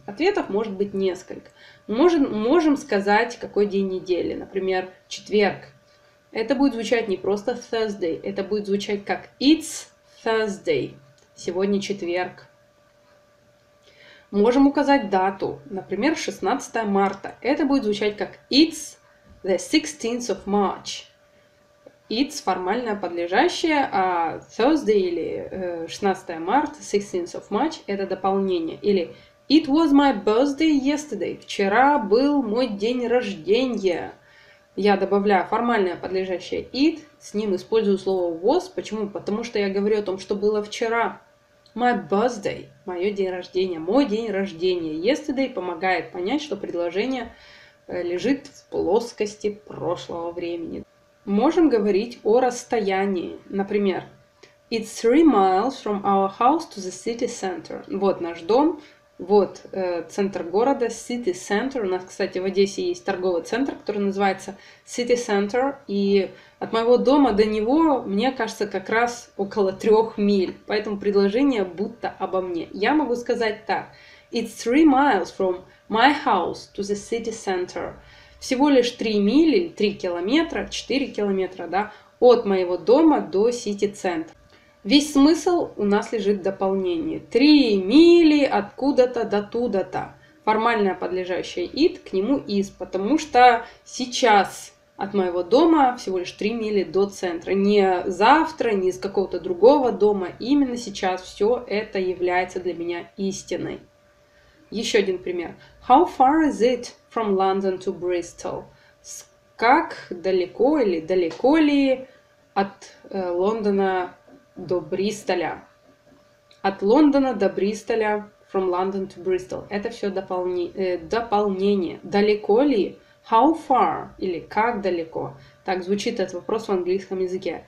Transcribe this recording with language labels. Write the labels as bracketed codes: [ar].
[ru] Ответов может быть несколько. Можем сказать, какой день недели. Например, четверг. Это будет звучать не просто Thursday. Это будет звучать как [en] it's Thursday. [ru] Сегодня четверг. Можем указать дату, например, 16 марта. Это будет звучать как [en] it's the 16th of March. [ru] It's формальное подлежащее, а Thursday или 16 марта, [en] 16th of March, [ru] это дополнение. [en] Или it was my birthday yesterday. [ru] Вчера был мой день рождения. Я добавляю формальное подлежащее it, с ним использую слово was. Почему? Потому что я говорю о том, что было вчера. [en] My birthday, [ru] мое день рождения, мой день рождения. Yesterday помогает понять, что предложение лежит в плоскости прошлого времени. Можем говорить о расстоянии. Например, [en] it's 3 miles from our house to the city center. [ru] Вот наш дом, вот центр города, city center. У нас, кстати, в Одессе есть торговый центр, который называется city center. И от моего дома до него, мне кажется, как раз около 3 миль. Поэтому предложение будто обо мне. Я могу сказать так. [en] It's 3 miles from my house to the city center. [ru] Всего лишь 3 мили, 3 километра, 4 километра, да, от моего дома до city center. Весь смысл у нас лежит в дополнении. 3 мили откуда-то до туда-то. Формальное подлежащее it к нему is, потому что сейчас от моего дома всего лишь 3 мили до центра. Не завтра, не из какого-то другого дома. Именно сейчас все это является для меня истиной. Еще один пример. [en] How far is it from London to Bristol? [ru] Как далеко или далеко ли от Лондона до Бристоля? От Лондона до Бристоля, [en] from London to Bristol. [ru] Это все дополнение. Далеко ли? [en] How far [ru] или как далеко? Так звучит этот вопрос в английском языке.